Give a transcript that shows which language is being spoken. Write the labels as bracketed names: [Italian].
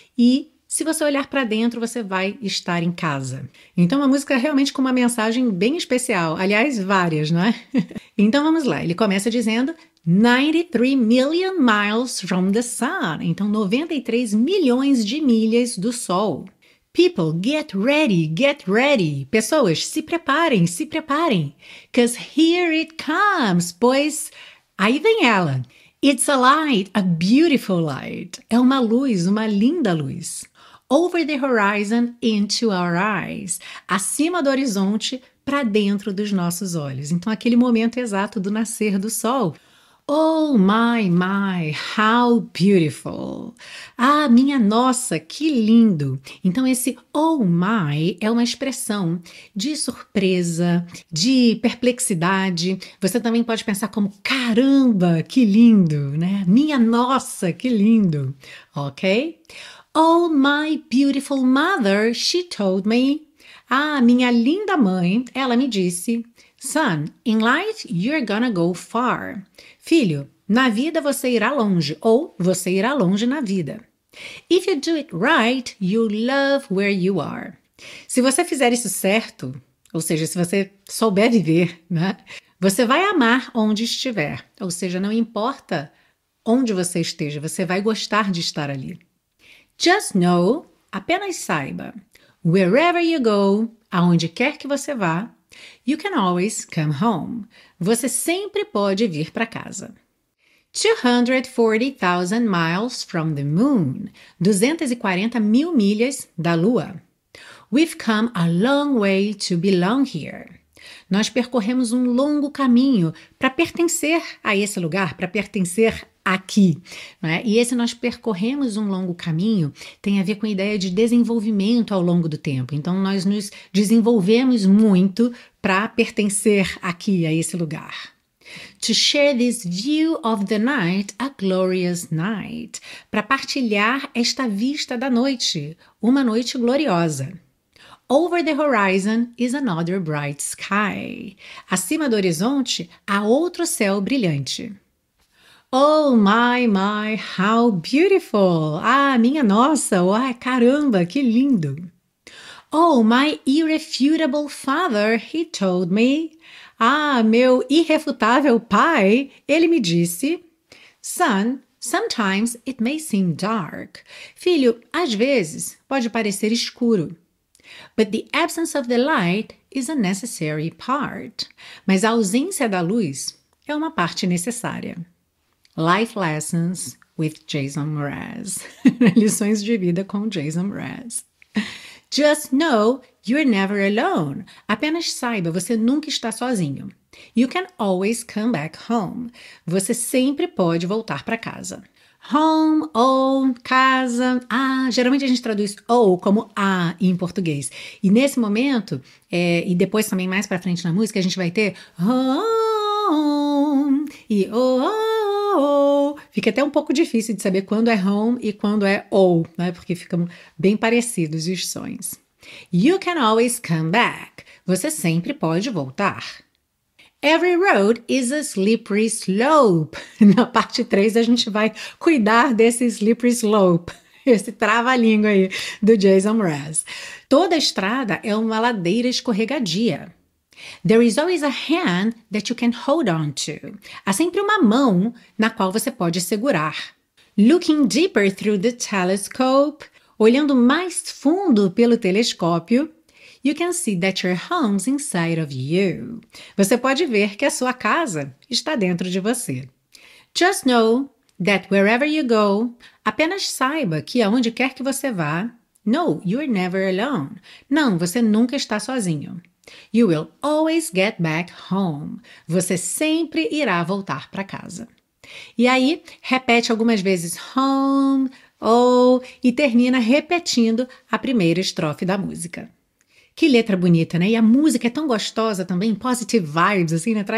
[Portuguese] E se você olhar para dentro, você vai estar em casa. Então, uma música realmente com uma mensagem bem especial. Aliás, várias, não é? Então, vamos lá. Ele começa dizendo [English] 93 million miles from the sun. [Portuguese] Então, 93 milhões de milhas do sol. [English] People, get ready, get ready. [Portuguese] Pessoas, se preparem, se preparem. [English] 'Cause here it comes. [Portuguese] Pois, aí vem ela. [English] It's a light, a beautiful light. [Portuguese] É uma luz, uma linda luz. [English] Over the horizon, into our eyes. [Portuguese] Acima do horizonte, para dentro dos nossos olhos. Então, aquele momento exato do nascer do sol. [English] Oh, my, my, how beautiful. [Portuguese] Ah, minha nossa, que lindo. Então, esse oh, my é uma expressão de surpresa, de perplexidade. Você também pode pensar como caramba, que lindo, né? Minha nossa, que lindo, ok? [English] Oh, my beautiful mother, she told me. [Portuguese] Ah, minha linda mãe, ela me disse. [English] Son, in life, you're gonna go far. [Portuguese] Filho, na vida você irá longe, ou você irá longe na vida. [English] If you do it right, you love where you are. [Portuguese] Se você fizer isso certo, ou seja, se você souber viver, né? Você vai amar onde estiver. Ou seja, não importa onde você esteja, você vai gostar de estar ali. [English] Just know, [Portuguese] apenas saiba, [English] wherever you go, [Portuguese] aonde quer que você vá, [English] you can always come home. [Portuguese] Você sempre pode vir para casa. [English] 240,000 miles from the moon. [Portuguese] 240,000 milhas da lua. [English] We've come a long way to belong here. [Portuguese] Nós percorremos um longo caminho para pertencer a esse lugar, para pertencer aqui, né? E esse nós percorremos um longo caminho tem a ver com a ideia de desenvolvimento ao longo do tempo. Então, nós nos desenvolvemos muito para pertencer aqui, a esse lugar. [English] To share this view of the night, a glorious night. [Portuguese] Para partilhar esta vista da noite, uma noite gloriosa. [English] Over the horizon is another bright sky. [Portuguese] Acima do horizonte, há outro céu brilhante. [English] Oh my, my, how beautiful! [Portuguese] Ah, minha nossa! Oh, caramba, que lindo! [English] Oh, my irrefutable father, he told me. [Portuguese] Ah, meu irrefutável pai, ele me disse. [English] Son, sometimes it may seem dark. [Portuguese] Filho, às vezes pode parecer escuro. [English] But the absence of the light is a necessary part. [Portuguese] Mas a ausência da luz é uma parte necessária. [English] Life Lessons with Jason Mraz. [Portuguese] Lições de vida com Jason Mraz. [English] Just know you're never alone. [Portuguese] Apenas saiba, você nunca está sozinho. [English] You can always come back home. [Portuguese] Você sempre pode voltar para casa. Home, ou casa. Ah, geralmente a gente traduz ou como a em português. E nesse momento, e depois também mais para frente na música, a gente vai ter home e oh. Fica até um pouco difícil de saber quando é home e quando é ou, né? Porque ficam bem parecidos os sons. [English] You can always come back. [Portuguese] Você sempre pode voltar. [English] Every road is a slippery slope. [Portuguese] Na parte 3 a gente vai cuidar desse slippery slope. Esse trava-língua aí do Jason Mraz. Toda estrada é uma ladeira escorregadia. [English] There is always a hand that you can hold on to. [Portuguese] Há sempre uma mão na qual você pode segurar. [English] Looking deeper through the telescope, [Portuguese] olhando mais fundo pelo telescópio, [English] you can see that your home's inside of you. [Portuguese] Você pode ver que a sua casa está dentro de você. [English] Just know that wherever you go, [Portuguese] apenas saiba que aonde quer que você vá, [English] no, you're never alone. [Portuguese] Não, você nunca está sozinho. [English] You will always get back home. [Portuguese] Você sempre irá voltar para casa. E aí, repete algumas vezes home, oh, e termina repetindo a primeira estrofe da música. Que letra bonita, né? E a música é tão gostosa também, [English] positive vibes, [Portuguese] assim, né?